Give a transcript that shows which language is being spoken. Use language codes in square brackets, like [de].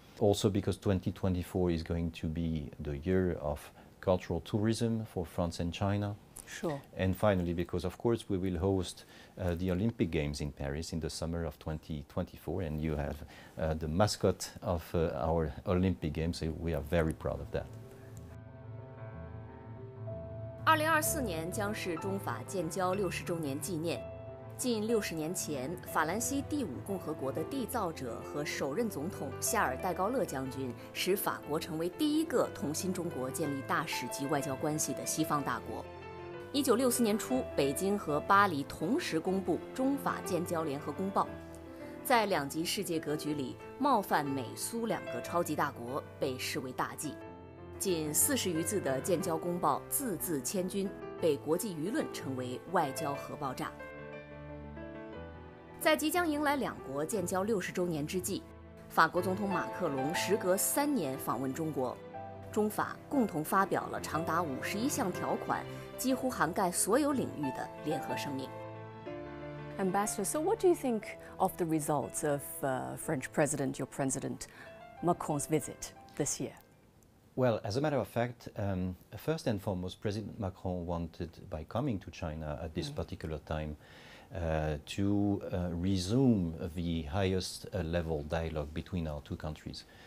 [en] Also because 2024 is going to be the year of cultural tourism for France and China. Sure. And finally, because of course we will host the Olympic Games in Paris in the summer of 2024, and you have the mascot of our Olympic Games, so we are very proud of that. [zh] 2024年将是中法建交60周年纪念。近60年前，法兰西第五共和国的缔造者和首任总统夏尔戴高乐将军，使法国成为第一个同新中国建立大使级外交关系的西方大国。 1964年初，北京和巴黎同时公布《中法建交联合公报》。在两极世界格局里，冒犯美苏两个超级大国被视为大忌。近40余字的建交公报字字千钧，被国际舆论称为外交核爆炸。在即将迎来两国建交60周年之际，法国总统马克龙时隔3年访问中国，中法共同发表了长达51项条款，几乎涵盖所有领域的联合声明。 [en] Ambassador, so what do you think of the results of French President, your President Macron's visit this year? Well, as a matter of fact, first and foremost, President Macron wanted, by coming to China at this particular time, to resume the highest level dialogue between our two countries.